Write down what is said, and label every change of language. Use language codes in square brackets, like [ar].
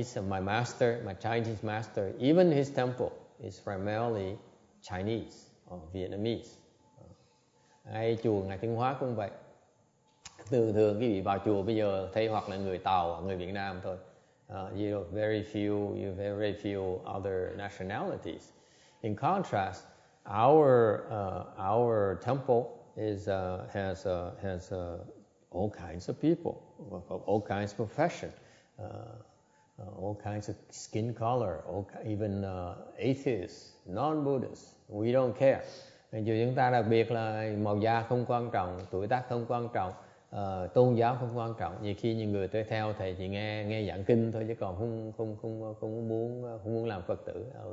[en] My Chinese master, even his temple is primarily Chinese or Vietnamese. [vi] Ngay chùa ngài Thiên Hóa cũng vậy. Thường thường quý vị vào chùa bây giờ thấy hoặc là người Tàu hoặc người Việt Nam thôi. [en] You have very few other nationalities. In contrast, our temple has all kinds of people, all kinds of profession, all kinds of skin color, even atheists, non-Buddhists, we don't care. [vi] Nên chúng ta đặc biệt là màu da không quan trọng, tuổi tác không quan trọng, tôn giáo không quan trọng. Nhiều khi những người tôi theo thầy chỉ nghe giảng kinh thôi, chứ còn không muốn làm Phật tử.